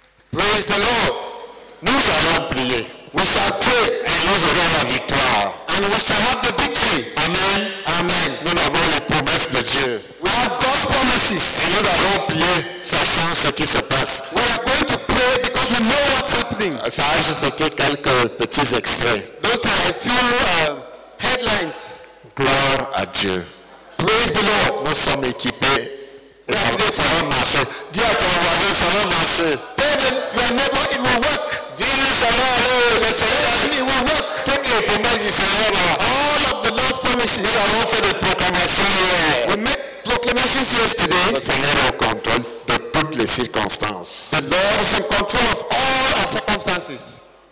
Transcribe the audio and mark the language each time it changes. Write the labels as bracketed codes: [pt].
[en] Praise the Lord. [fr] Nous allons prier. [en] We shall pray and [fr] nous aurons la victoire. [en] And we shall have the victory. Amen. Amen. [fr] Nous avons les promesses de Dieu. [en] We have God's promises. [fr] Et nous allons prier sachant ce qui se passe. [en] We are going to pray because we know what's happening. [fr] Ça a juste quelques petits extraits. [en] Those are a few headlines. [fr] Gloire à Dieu. [en] Praise the Lord. [fr] Nous sommes équipés. Ça va marcher. Dis à ton voisin, ça va marcher. [en] Tell him, your neighbor, it will work. [fr] Dis-lui, ça va aller, le Seigneur. [en] Tell him, it will work. [fr] Toutes les promesses du Seigneur là. [en] All of the Lord's promises. [fr] Nous avons fait des proclamations hier. [en] We made proclamations yesterday. [fr] Le Seigneur est au contrôle de toutes les circonstances. [en] The Lord is in control of all our circumstances.